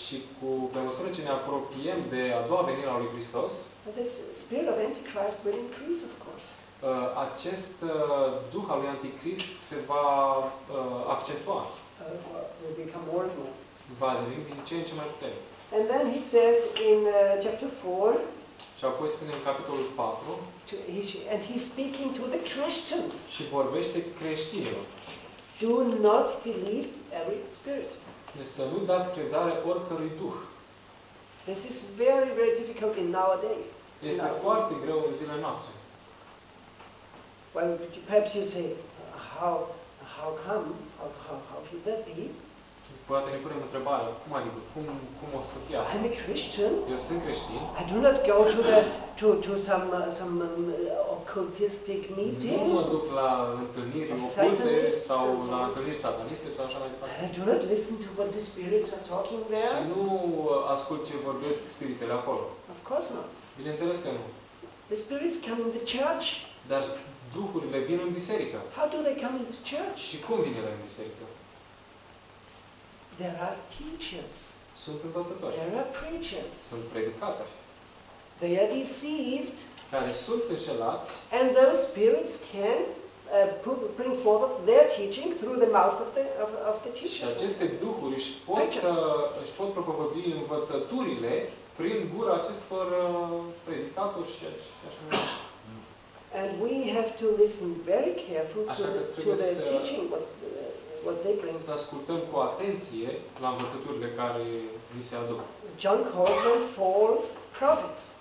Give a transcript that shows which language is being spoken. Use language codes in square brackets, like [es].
[ro] și cu pe măsură ce ne apropiem de a doua venire a lui Hristos, [en] this spirit of Antichrist will increase, of course. [ro] Acest duh al lui Anticrist se va accentua. [en] Will become more and more. [ro] Va deveni din ce în ce mai puternic. [en] And then he says in chapter 4. [ro] Și apoi spune în capitolul 4. [en] And he's speaking to the Christians. [ro] Și vorbește creștinilor. [en] Do not believe every spirit. [ro] Să nu dați crezare oricărui duh. [en] This is very, very difficult in nowadays. [ro] Este foarte greu în zilele noastre. [en] Well, perhaps you say, how should that be? [ro] Poate ne punem întrebarea, cum adică, cum o să fie asta? [en] I'm a Christian. [ro] Eu sunt creștin. [en] I do not go to the to some occultistic meetings. [ro] Nu mă duc la întâlniri oculte sau la întâlniri sataniste sau așa mai departe. [en] I do not listen to what the spirits are talking there. [ro] Și nu ascult ce vorbesc spiritele acolo. [en] Of course not. [ro] Bineînțeles că nu. [en] The spirits come in the church. [ro] Dar duhurile vin în biserică. [en] How do they come in the church? [ro] Și cum vin ele în biserică? [en] There are teachers. [ro] Sunt învățători. [en] There are preachers. [ro] Sunt predicatori. [en] They are deceived. [ro] Care sunt înșelați. [en] And those spirits can bring forth their teaching through the mouth of the teachers. [ro] Și aceste duhuri își pot propovădui învățăturile prin gura acestor predicatori și așa mai departe. [en] And we have to listen very carefully to the teaching what they bring. [ro] Să ascultăm cu atenție la învățăturile care ni se aduc. [en] John calls them false prophets.